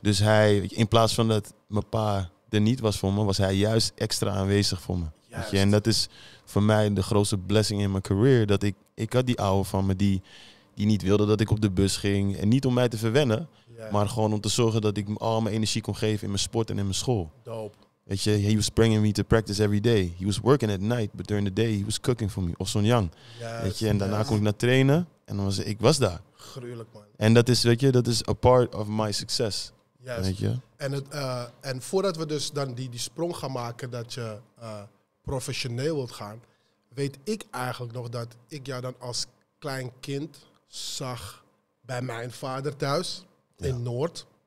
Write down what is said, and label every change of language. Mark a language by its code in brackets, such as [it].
[nl] Dus hij, in plaats van dat mijn pa er niet was voor me, was hij juist extra aanwezig voor me. En dat is voor mij de grootste blessing in mijn career. Dat ik had die ouwe van me die niet wilde dat ik op de bus ging. En niet om mij te verwennen, maar gewoon om te zorgen dat ik al mijn energie kon geven in mijn sport en in mijn school. [en] Dope. [nl] Weet je, [en] he was bringing me to practice every day. He was working at night, but during the day he was cooking for me. Ossun Yang. [nl] Weet je, en daarna kon ik naar trainen en dan was ik daar. Gruwelijk, man. En dat is, weet je, dat is [en] a part of my success. [nl] Juist. Weet je? En voordat we dus dan die sprong gaan maken dat je professioneel wilt gaan, weet ik eigenlijk nog dat ik jou dan als klein kind zag bij mijn vader thuis in Noord.